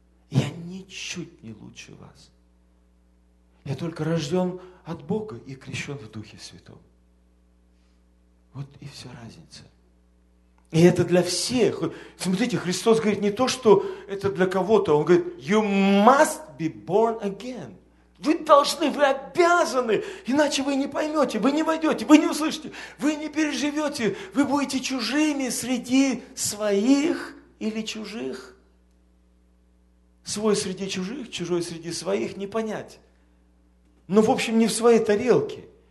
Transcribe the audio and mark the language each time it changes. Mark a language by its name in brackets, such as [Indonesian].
[Russian] Я ничуть не лучше вас. Я только рожден от Бога и крещен в Духе Святом. Вот и вся разница. И это для всех. Смотрите, Христос говорит не то, что это для кого-то. Он говорит, [English] you must be born again. [Russian] Вы должны, вы обязаны, иначе вы не поймете, вы не войдете, вы не услышите, вы не переживете, вы будете чужими среди своих или чужих. Свой среди чужих, чужой среди своих, не понять. Но, в общем, не в своей тарелке.